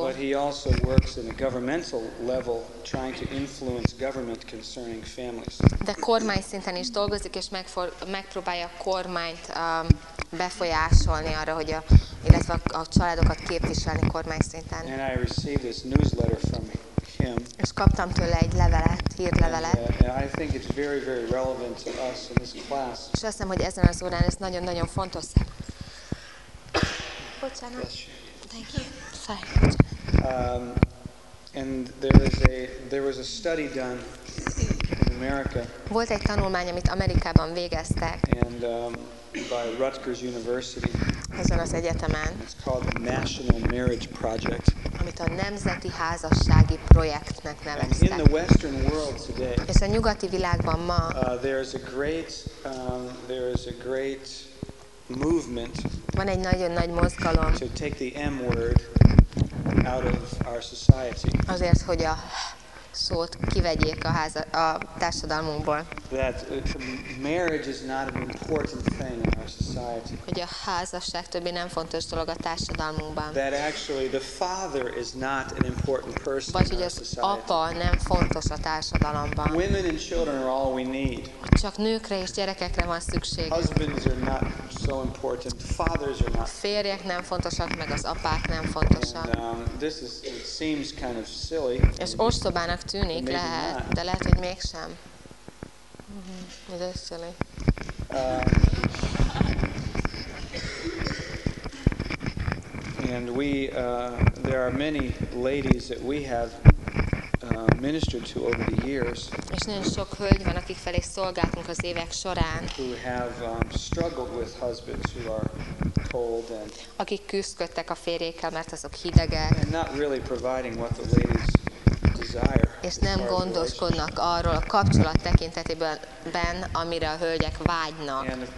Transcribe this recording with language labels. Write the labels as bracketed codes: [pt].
[en] But he also works in a governmental level, trying to influence government concerning families. [hu] De kormány szinten is dolgozik, és megpróbálja a kormányt befolyásolni arra, hogy illetve a családokat képviselni kormány szinten. [en] And I received this newsletter from him. [hu] És kaptam tőle egy levelet. [en] I think it's very, very relevant to us in this class. [hu] És azt hiszem, hogy ezen az órán ez nagyon-nagyon fontos. Bocsánat. [en] Bless you. Thank you. Sorry. And there was a study done in America. [hu] Volt egy tanulmány, amit Amerikában végeztek. [en] And by Rutgers University. [hu] Ezen az egyetemen. [en] It's called the National Marriage Project. [hu] Amit a nemzeti házassági projektnek neveztek. [en] And in the Western world today. [hu] És a nyugati világban ma. [en] There is a great movement. [hu] Van egy nagyon nagy mozgalom. [en] To take the M word out of our society. [hu] Azért, hogy a szót kivegyék a társadalmunkból. [en] that marriage is not an important thing in our society. [hu] Hogy a házasság többé nem fontos dolog a társadalmunkban. [en] That actually the father is not an important person in our society. [hu] Vagy hogy az apa nem fontos a társadalomban. [en] Women and children are all we need. [hu] Csak nőkre és gyerekekre van szükség. [en] Husbands are not so important. Fathers are not. [hu] Férjek nem fontosak, meg az apák nem fontosak. [en] This is, it seems kind of silly. [hu] Ez ostobának tűnik lehet, de lehet, hogy mégsem. [en] Mm-hmm. Silly. And we, there are many ladies that we have ministered to over the years. [hu] És nagyon sok hölgy van, akik felé szolgáltunk az évek során. [en] Who have struggled with husbands who are cold and. [hu] Akik küzdködtek a férjékkel, mert azok hidegek. [en] And not really providing what the ladies. [hu] És nem gondoskodnak arról a kapcsolat tekintetében, amire a hölgyek vágynak.